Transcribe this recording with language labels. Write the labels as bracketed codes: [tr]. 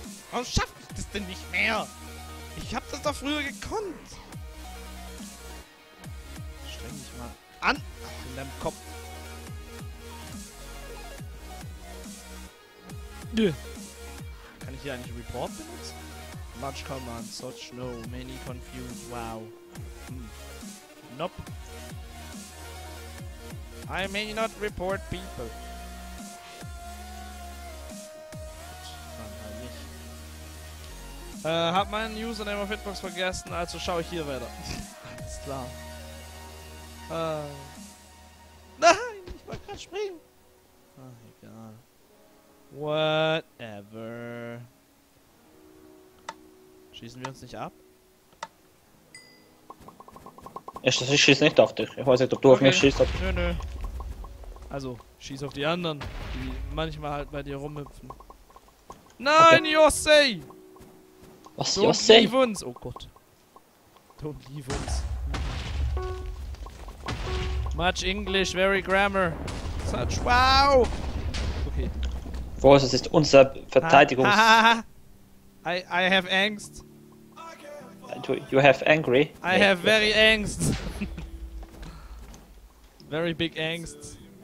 [de] Warum schaffe ich das denn nicht mehr? Ich hab das doch früher gekonnt! Streng dich mal an! Ach, in deinem Kopf! Kann ich hier eigentlich Report benutzt? [en] Much command, such no, many confused, wow. Nope. I may not report people. [de] Hab meinen Username auf Hitbox vergessen, also schaue ich hier weiter. Alles klar. Nein, ich wollte gerade springen. Ach, egal. [en] Whatever. [de] Schießen wir uns nicht ab? Ich schieße nicht auf dich. Ich weiß nicht, ob du okay. auf mich schießt. Ob... Nö, nö. Also, schieß auf die anderen, die manchmal halt bei dir rumhüpfen. Nein, okay. Yosei! Was ist das denn? [en] Don't leave uns! [de] Oh Gott. [en] Don't leave uns. Much English, very grammar. Such wow! Okay. [de] Wo ist es? Ist unser Verteidigungs. [en] I have angst. You have angry? I have very angst. Very big angst.